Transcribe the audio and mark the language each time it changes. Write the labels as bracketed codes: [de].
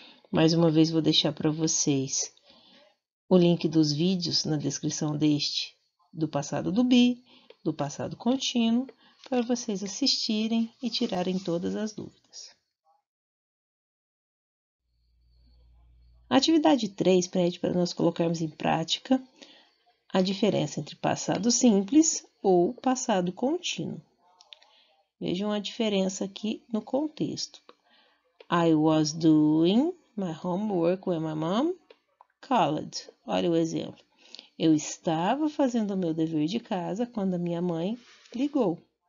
[pt] Mais uma vez, vou deixar para vocês o link dos vídeos na descrição deste, do passado do be, do passado contínuo, para vocês assistirem e tirarem todas as dúvidas. A atividade 3 pede para nós colocarmos em prática a diferença entre passado simples ou passado contínuo. Vejam a diferença aqui no contexto. [en] I was doing my homework when my mom called. [pt] Olha o exemplo. Eu estava fazendo o meu dever de casa quando a minha mãe ligou.